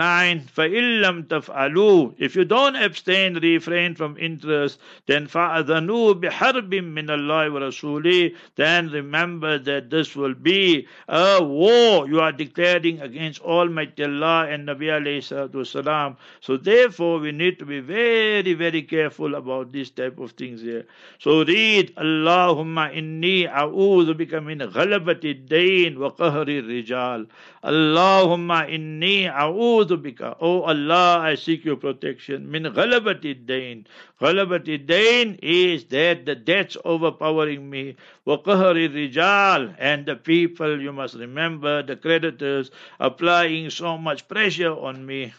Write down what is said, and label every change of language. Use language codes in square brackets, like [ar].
[ar] فَإِلَّمْ تَفْعَلُوا [en] If you don't abstain, refrain from interest, then [ar] فَأَذَنُوا بِحَرْبٍ مِّنَ اللَّهِ وَرَسُولِهِ [en] Then remember that this will be a war you are declaring against Almighty Allah and Nabi alayhi salatu wasalam. So therefore, we need to be very, very careful about these type of things here. So read, [ar] اللَّهُمَّ إِنِّي أَعُوذُ بِكَ مِنْ غَلَبَةِ الدَّيْنِ وَقَهْرِ الرِّجَالِ اللَّهُمَّ إِنِّي أَعُوذُ A'udhu bika. [en] Oh Allah, I seek your protection. [ar] Min ghalabati dain. Ghalabati dain [en] is that the debts overpowering me. [ar] Wa qahri rijal. [en] And the people, you must remember, the creditors applying so much pressure on me.